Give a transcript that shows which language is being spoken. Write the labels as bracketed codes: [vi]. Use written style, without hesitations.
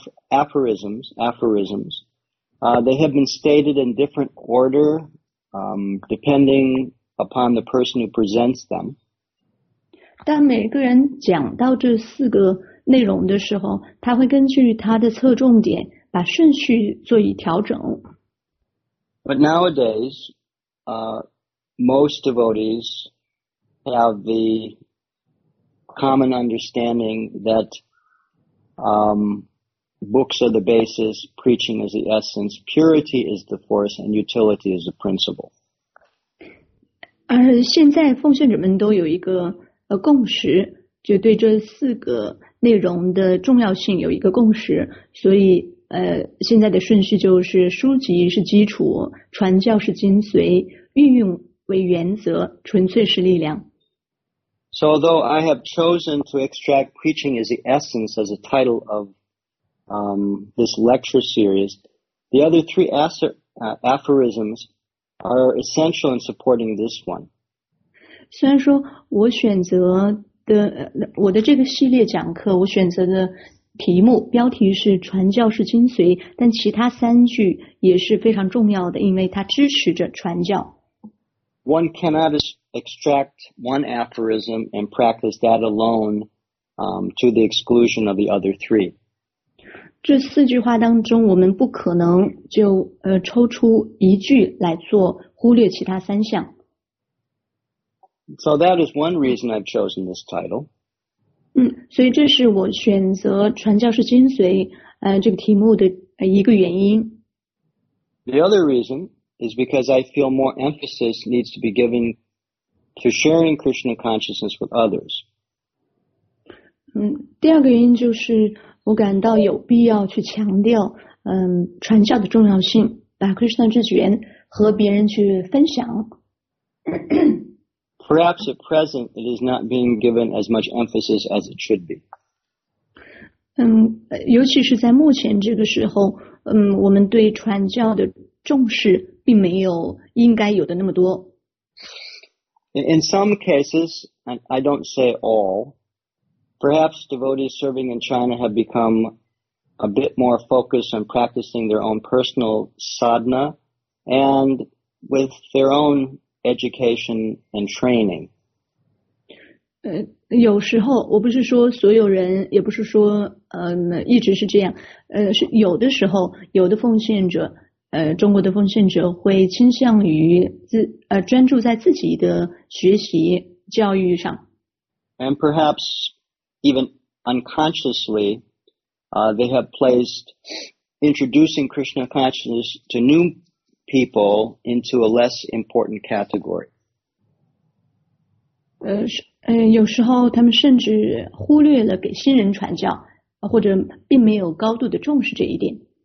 [en] Aphorisms, they have been stated in different order, depending upon the person who presents them. [zh] 但每个人讲到这四个内容的时候，他会根据他的侧重点把顺序做以调整。 [en] But nowadays, most devotees have the common understanding that, Books are the basis, preaching is the essence, purity is the force, and utility is the principle. [zh] 而现在奉献者们都有一个共识，就对这四个内容的重要性有一个共识，所以现在的顺序就是书籍是基础，传教是精髓，运用为原则，纯粹是力量。 [en] So although I have chosen to extract preaching is the essence as a title ofThis lecture series, the other three aphorisms are essential in supporting this one. [zh] 虽然说我选择的我的这个系列讲课，我选择的题目标题是“传教是精髓”，但其他三句也是非常重要的，因为它支持着传教。 [en] One cannot extract one aphorism and practice that alone, to the exclusion of the other three. [zh] 这四句话当中，我们不可能就抽出一句来做，忽略其他三项。 [en] So that is one reason I've chosen this title. [zh] 所以这是我选择传教士精髓，这个题目的一个原因。 [en] The other reason is because I feel more emphasis needs to be given to sharing Krishna consciousness with others. [zh] 第二个原因就是我感到有必要去强调，传教的重要性，把 Krishna 之源和别人去分享。 [en] Perhaps at present it is not being given as much emphasis as it should be. [zh] 尤其是在目前这个时候，我们对传教的重视并没有应该有的那么多。 [en] In some cases, and I don't say all, perhaps devotees serving in China have become a bit more focused on practicing their own personal sadhana and with their own education and training. [zh] 有时候我不是说所有人，也不是说一直是这样，是有的时候有的奉献者，中国的奉献者会倾向于专注在自己的学习教育上。 [en] And perhaps even unconsciously, they have placed introducing Krishna consciousness to new people into a less important category. [zh] 有时候他们甚至忽略了给新人传教，或者并没有高度的重视这一点。